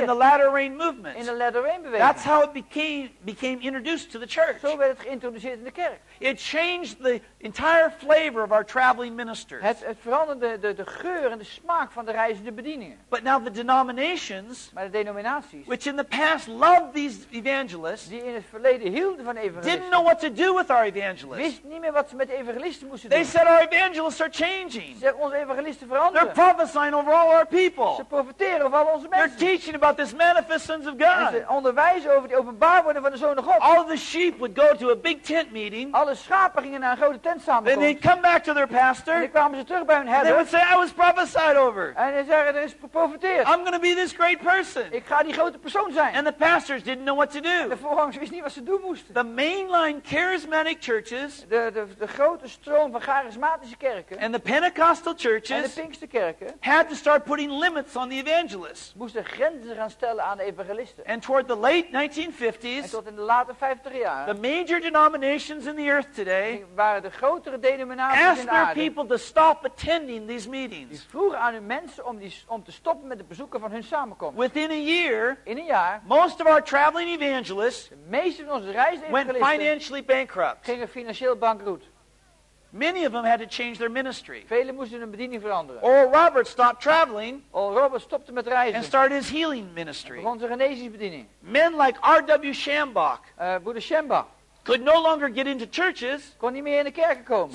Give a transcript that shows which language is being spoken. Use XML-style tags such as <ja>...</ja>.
<en>In the Latter Rain movement.</en> <nl>In de Latter Rain beweging.</nl> <en>That's how it became introduced to the church.</en> <nl>Zo werd het geïntroduceerd in de kerk.</nl> <en>It changed the entire flavor of our traveling ministers.</en> <nl>Het veranderde de geur en de smaak van de reizende bedieningen.</nl> <en>But now the denominations,</en> <nl>maar de denominaties,</nl> <en>which in the past loved these evangelists,</en> <nl>die in het verleden hielden van evangelisten,</nl> <en>didn't know what to do with our evangelists.</en> <nl>Wisten niet meer wat ze met de evangelisten moesten</nl> <en>they</en> <nl>doen.</nl> <en>They said our evangelists are changing.</en> <nl>Ze zeggen onze evangelisten veranderen.</nl> <en>They're prophesying over all our people.</en> <nl>Ze profeteren over al onze mensen.</nl> <en>They're teaching about this manifest sons of God.</en> <nl>En ze onderwijzen over die openbaar worden van de zonen God.</nl> <en>All the sheep would go to a big tent meeting.</en> <nl>Alle schapen gingen naar een grote tent samenkomst.</nl> <en>Then they'd come back to their pastor.</en> <nl>En dan kwamen ze terug bij hun herder.</nl> <en>They would say, I was prophesied over.</en> <nl>En ze zeggen, er is geprofeteerd.</nl> <en>I'm going to be this great person.</en> <nl>Ik ga die grote persoon zijn.</nl> <en>And the pastors didn't know what to do.</en> <nl>En de voorgangers wisten niet wat ze doen moesten.</nl> <en>The mainline charismatic churches.</en> <nl>De grote stroom van charismatische kerken.</nl> <en>And the Pentecostal churches.</en> <nl>En de Pinksterkerken.</nl> <en>Had to start putting limits on the evangelists.</en> <nl>Moesten grenzen gaan stellen aan de evangelisten.</nl> <en>And toward the late 1950s.</en> <nl>En tot in de late 50 jaar.</nl> <en>The major denominations in the earth today.</en> <nl>Waren de grotere denominaties in de aarde.</nl> <en>Asked their people to stop attending these meetings.</en> <nl>Die vroegen aan hun mensen om te stoppen met het bezoeken van hun samenkomst.</nl> <en>Within a year.</en> <nl>In een jaar.</nl> <en>Most of our traveling evangelists.</en> <nl>De meeste van onze reizende evangelisten.</nl> <en>Went financially bankrupt.</en> <nl>Gingen financieel bankroet.</nl> <en>Many of them had to change their ministry.</en> <nl>Velen moesten hun bediening veranderen.</nl> <en>Oral Roberts stopped traveling.</en> <nl>Oral Roberts stopte met reizen.</nl> <en>And started his healing ministry.</en> <nl>En begon zijn genezingsbediening.</nl> <en>Men like R.W. Shambach.</en> <nl>Boeddha Shambach.</nl> <en>Could no longer get into churches.</en> <nl>Kon niet meer in de kerken komen.</nl>